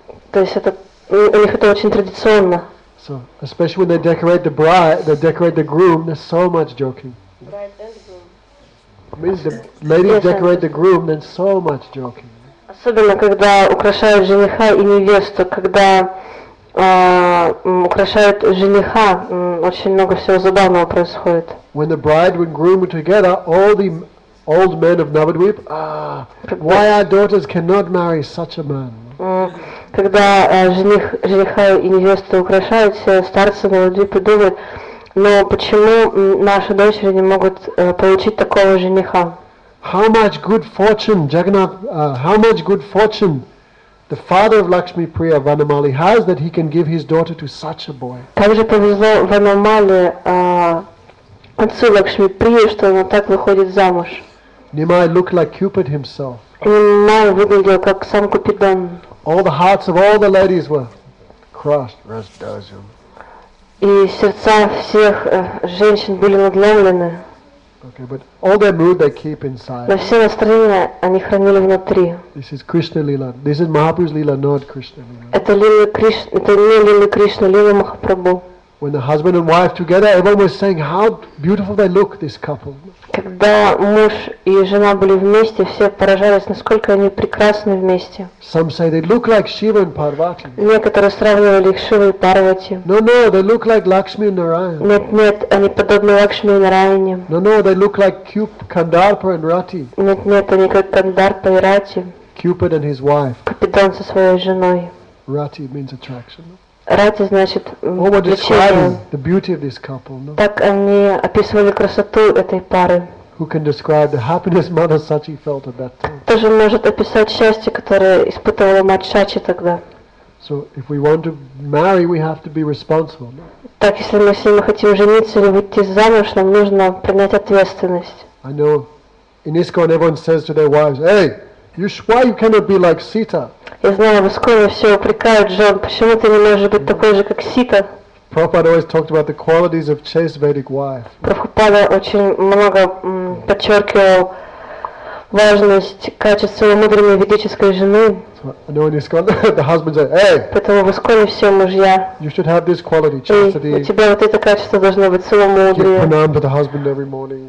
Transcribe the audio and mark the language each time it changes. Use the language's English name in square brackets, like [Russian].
[Russian] То есть это у них это очень традиционно. [English] So especially when they decorate the bride, they decorate the groom. There's so much joking. Bride and groom. Means the ladies decorate the groom, then so much joking. [Russian] Особенно когда украшают жениха и невесту, когда украшают жениха, очень много всего забавного происходит. [English] When the bride and groom were together, all the old men of Navadvip, why our daughters cannot marry such a man? [Russian] Когда жениха и невесту украшают, все старцы Навадвипы думают, но почему наши дочери не могут получить такого жениха? [English] How much good fortune, Jagannath, how much good fortune the father of Lakshmi Priya, Vanamali, has that he can give his daughter to such a boy. [Russian] Как же повезло Ванамале, отцу Лакшми Прия, что она так выходит замуж. [English] Nimai looked like Cupid himself. [Russian] Nimai выглядел как сам Купидон. [English] All the hearts of all the ladies were crushed. Раздазим. [Russian] И сердца всех женщин были надломлены. [English] Okay, but all their mood they keep inside. [Russian] Но все настроение они хранили внутри. [English] This is Krishna Lila. This is Mahaprabhu's Lila, not Krishna Lila. [Russian] Это Лила Кришна, это не Лила Кришна, Лила Махапрабху. [English] When the husband and wife together, everyone was saying how beautiful they look, this couple. [Russian] Когда муж и жена были вместе, все поражались, насколько они прекрасны вместе. [English] Some say they look like Shiva and Parvati. [Russian] Некоторые сравнивали их с Шивой и Парвати. [English] No, no, they look like Lakshmi and Narayan. [Russian] Нет, нет, они подобны Лакшми и Нараяне. [English] No, no, they look like Kandarpa and Rati. [Russian] Нет, нет, они как Кандарпа и Рати. [English] Cupid and his wife. [Russian] Купидон со своей женой. [English] Rati means attraction. [Russian] Рати значит влечение. Так они описывали красоту этой пары. [English] Who can describe the happiness Mother Sachi felt at that time? [Russian] Кто же может описать счастье, которое испытывала мать Сачи тогда? [English] So if we want to marry, we have to be responsible. [Russian] Так если мы с ним хотим жениться или выйти замуж, нам нужно принять ответственность. [English] I know in ISKCON everyone says to their wives, "Hey, you why you cannot be like Sita?" [Russian] Я знаю, в Исконе все упрекают жен, почему ты не можешь быть такой же, как Сита? [English] Prabhupada always talked about the qualities of chaste Vedic wife. [Russian] Прабхупада очень много подчеркивал важность качества мудрой ведической жены. Поэтому в Исконе все мужья. [English] You should have this quality, chastity. [Russian] У тебя вот это качество должно быть целомудрие. [English] Pranam to the husband every morning.